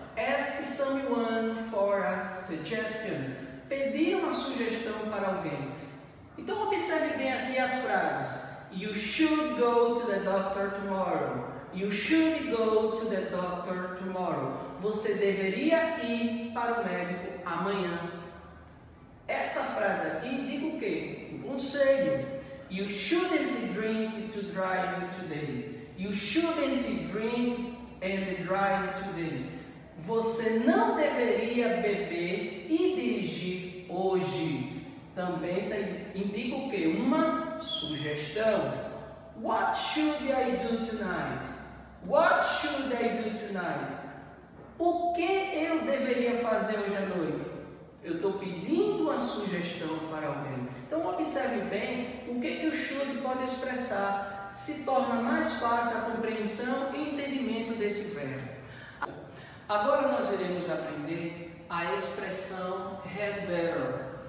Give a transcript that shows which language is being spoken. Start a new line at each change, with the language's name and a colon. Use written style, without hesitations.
English: Ask someone for a suggestion.
Portuguese: Pedir uma sugestão para alguém. Então, observe bem aqui as frases.
English: You should go to the doctor tomorrow. You should go to the doctor tomorrow.
Portuguese: Você deveria ir para o médico amanhã. Essa frase aqui indica o quê? Um conselho.
English: You shouldn't drink to drive today. You shouldn't drink and drive today.
Portuguese: Você não deveria beber e dirigir hoje. Também indica o quê? Uma sugestão.
English: What should I do tonight? What should I do tonight?
Portuguese: O que eu deveria fazer hoje à noite? Eu estou pedindo uma sugestão para alguém. Então, observe bem o que, que o should pode expressar. Se torna mais fácil a compreensão e entendimento desse verbo. Agora, nós iremos aprender a expressão had better.